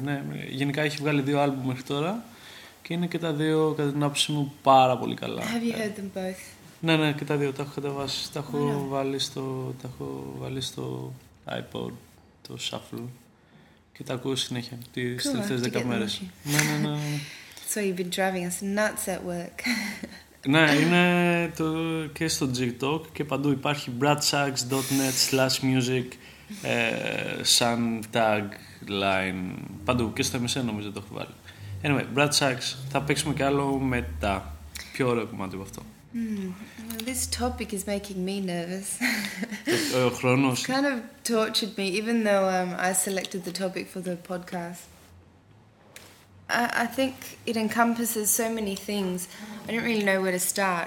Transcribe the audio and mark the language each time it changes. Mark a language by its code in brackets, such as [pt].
[el] Είναι, γενικά έχει βγάλει δύο άλμπουμ μέχρι τώρα και είναι και τα δύο, κατά την άποψή μου, πάρα πολύ καλά. [en] Have you heard them both? [el] Ναι, ναι, και τα δύο τα έχω κατεβάσει. Τα έχω, βάλει, στο, τα έχω βάλει στο iPod, το Shuffle. Και τα ακούω συνέχεια τις [en] cool, [el] τελευταίες 10 μέρες. Ναι, ναι, ναι. [en] So you've been driving us nuts at work. [el] Ναι, είναι το, και στο TikTok και παντού υπάρχει bradsachs.net/music σαν tag line. Παντού και στο MSN νομίζω το έχω βάλει. [en] Anyway, [el] Brad Sachs, θα παίξουμε κι άλλο μετά. Πιο ωραίο κομμάτι από αυτό. [en] This topic is making me nervous. [el] Ο χρόνος. [en] It's kind of tortured me, even though I selected the topic for the podcast. I think it encompasses so many things. I don't really know where to start.